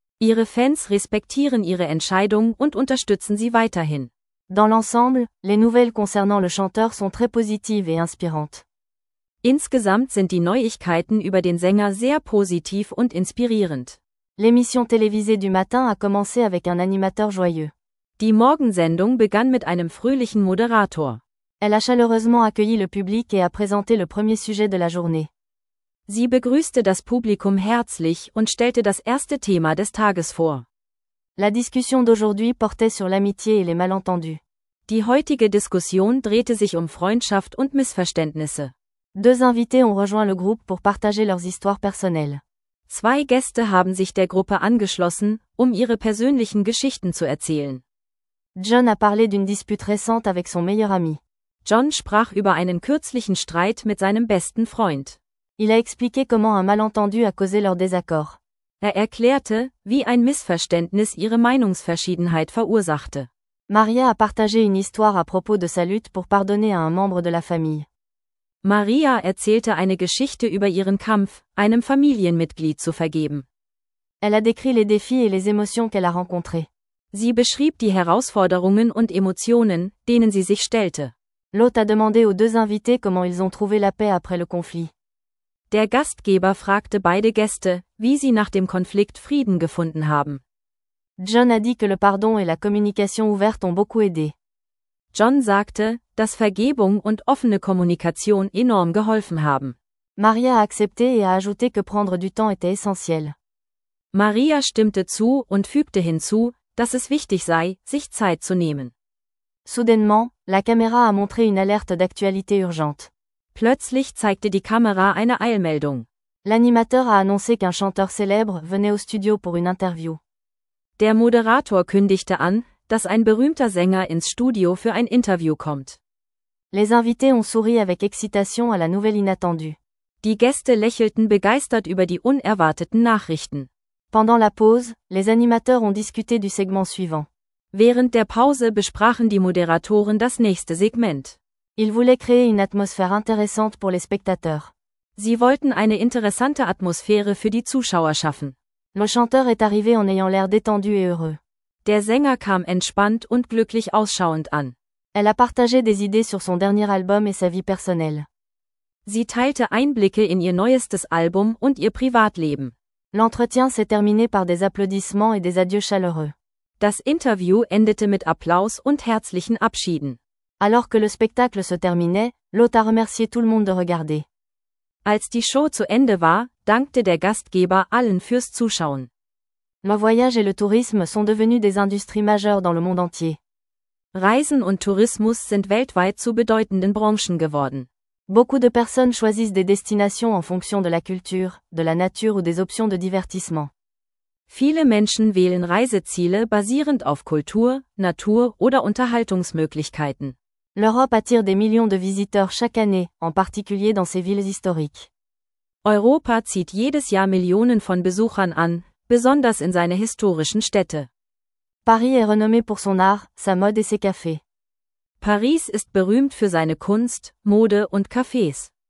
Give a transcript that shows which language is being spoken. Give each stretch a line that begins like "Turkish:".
German: Ihre Fans respektieren ihre Entscheidung und unterstützen sie weiterhin.
French: Dans l'ensemble, les nouvelles concernant le chanteur sont très positives et inspirantes.
German: Insgesamt sind die Neuigkeiten über den Sänger sehr positiv und inspirierend.
French: L'émission télévisée du matin a commencé avec un animateur joyeux.
German: Die Morgensendung begann mit einem fröhlichen Moderator.
French: Elle a chaleureusement accueilli le public et a présenté le premier sujet de la journée.
German: Sie begrüßte das Publikum herzlich und stellte das erste Thema des Tages vor.
French: La discussion d'aujourd'hui portait sur l'amitié et les malentendus.
German: Die heutige Diskussion drehte sich um Freundschaft und Missverständnisse.
French: Deux invités ont rejoint le groupe pour partager leurs histoires personnelles.
German: Zwei Gäste haben sich der Gruppe angeschlossen, um ihre persönlichen Geschichten zu erzählen.
French: John a parlé d'une dispute récente avec son meilleur ami.
German: John sprach über einen kürzlichen Streit mit seinem besten Freund.
French: Il a expliqué comment un malentendu a causé leur désaccord.
German: Er erklärte, wie ein Missverständnis ihre Meinungsverschiedenheit verursachte.
French: Maria a partagé une histoire à propos de sa lutte pour pardonner à un membre de la famille.
German: Maria erzählte eine Geschichte über ihren Kampf, einem Familienmitglied zu vergeben.
French: Elle a décrit les défis et les émotions qu'elle a rencontrés.
German: Sie beschrieb die Herausforderungen und Emotionen, denen sie sich stellte.
French: L'hôte a demandé aux deux invités comment ils ont trouvé la paix après le conflit.
German: Der Gastgeber fragte beide Gäste, wie sie nach dem Konflikt Frieden gefunden haben.
French: John a dit que le pardon et la communication ouverte ont beaucoup aidé.
German: John sagte, dass Vergebung und offene Kommunikation enorm geholfen haben.
French: Maria a accepté et a ajouté que prendre du temps était essentiel.
German: Maria stimmte zu und fügte hinzu, dass es wichtig sei, sich Zeit zu nehmen.
French: Soudainement, la caméra a montré une alerte d'actualité urgente.
German: Plötzlich zeigte die Kamera eine Eilmeldung.
French: L'animateur a annoncé qu'un chanteur célèbre venait au studio pour une interview.
German: Der Moderator kündigte an, dass ein berühmter Sänger ins Studio für ein Interview kommt.
French: Les invités ont souri avec excitation à la nouvelle inattendue.
German: Die Gäste lächelten begeistert über die unerwarteten Nachrichten.
French: Pendant la pause, les animateurs ont discuté du segment suivant.
German: Während der Pause besprachen die Moderatoren das nächste Segment.
French: Ils voulaient créer une atmosphère intéressante pour les spectateurs.
German: Sie wollten eine interessante Atmosphäre für die Zuschauer schaffen.
French: Le chanteur est arrivé en ayant l'air détendu et heureux.
German: Der Sänger kam entspannt und glücklich ausschauend an.
French: Elle a partagé des idées sur son dernier album et sa vie personnelle.
German: Sie teilte Einblicke in ihr neuestes Album und ihr Privatleben.
French: L'entretien s'est terminé par des applaudissements et des adieux chaleureux.
German: Das Interview endete mit Applaus und herzlichen Abschieden.
French: Alors que le spectacle se terminait, l'hôte a remercié tout le monde de regarder.
German: Als die Show zu Ende war, dankte der Gastgeber allen fürs Zuschauen.
French: Le voyage et le tourisme sont devenus des industries majeures dans le monde entier.
German: Reisen und Tourismus sind weltweit zu bedeutenden Branchen geworden.
French: Beaucoup de personnes choisissent des destinations en fonction de la culture, de la nature ou des options de divertissement.
German: Viele Menschen wählen Reiseziele basierend auf Kultur, Natur oder Unterhaltungsmöglichkeiten.
French: L'Europe attire des millions de visiteurs chaque année, en particulier dans ses villes historiques.
German: Europa zieht jedes Jahr Millionen von Besuchern an, besonders in seine historischen Städte.
French: Paris est renommé pour son art, sa mode et ses cafés.
German: Paris ist berühmt für seine Kunst, Mode und Cafés.